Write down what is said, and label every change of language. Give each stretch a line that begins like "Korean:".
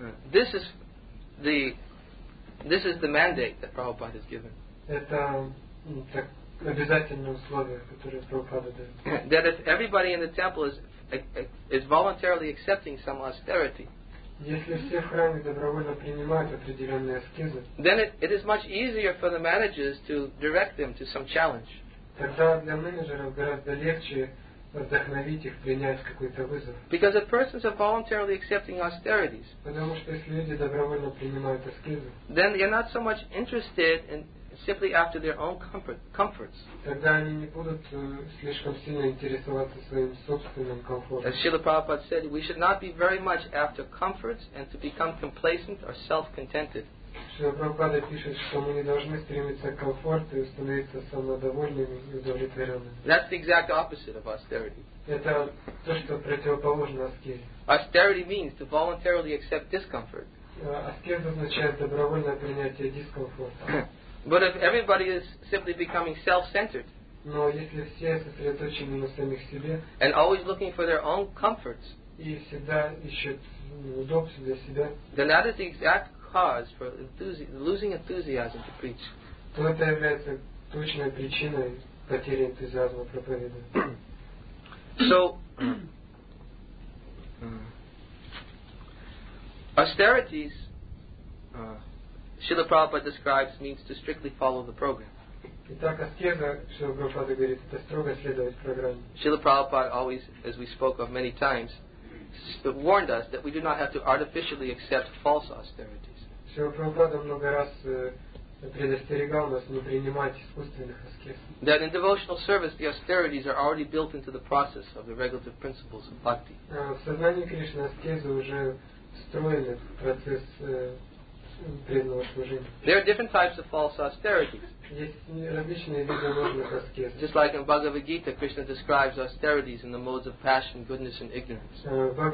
English: So this is the mandate that Prabhupada has given.
Russian: Это обязательное условие, которое Прабхупада дает.
English: That if everybody in the temple is voluntarily accepting some austerity,
Russian: если все в храме добровольно принимают определенные аскезы,
English: then it is much easier for the managers to direct them to some challenge.
Russian: Тогда для менеджеров гораздо легче вдохновить их принять какой-то вызов.
English: Because if persons are voluntarily accepting austerities,
Russian: потому что если люди добровольно принимают аскезы,
English: then they are not so much interested in simply after their own comforts.
Russian: Тогда они не будут слишком сильно интересоваться своим собственным комфортом.
English: As Srila Prabhupada said, we should not be very much after comforts and to become complacent or self-contented.
Russian: Srila Prabhupada пишет, что мы не должны стремиться к комфорту и становиться самодовольными и удовлетворенными.
English: That's the exact opposite of austerity.
Russian: Это то, что противоположно аскезе.
English: Austerity means to voluntarily accept discomfort.
Russian: Аскеза означает добровольное принятие дискомфорта.
English: But if everybody is simply becoming self-centered,
Russian: но если все сосредоточены на самих себе,
English: and always looking for their own comforts,
Russian: и всегда ищут удобства для себя,
English: then that is the exact cause for losing enthusiasm to preach.
Russian: То это является точной причиной потери энтузиазма проповедовать.
English: So, austerities, Srila Prabhupada describes, means to strictly follow the program.
Russian: Итак, аскеза, Srila Prabhupada говорит, это строго следовать программе.
English: Srila Prabhupada always, as we spoke of many times, warned us that we do not have to artificially accept false austerities.
Russian: Srila Prabhupada много раз предостерегал нас не принимать искусственных аскез.
English: That in devotional service the austerities are already built into the process of the regulative principles of bhakti.
Russian: В сознании Кришны аскезы уже встроены в процесс преданного служения.
English: There are different types of false austerities. Just like in Bhagavad Gita, Krishna describes austerities in the modes of passion, goodness, and ignorance.